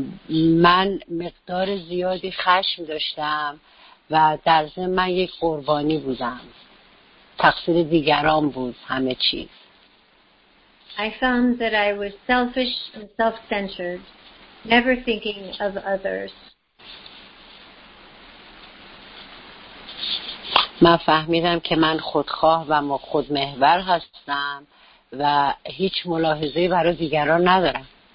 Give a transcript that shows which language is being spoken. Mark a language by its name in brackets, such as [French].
[Persian] من مقدار زیادی خشم داشتم و در ذهن من یک قربانی بودم. تقصیر دیگران بود همه چیز. [English] I found that I was selfish and self-centered, never thinking of others. [Persian] من فهمیدم که من خودخواه و خودمحور هستم و هیچ ملاحظه برای دیگران ندارم.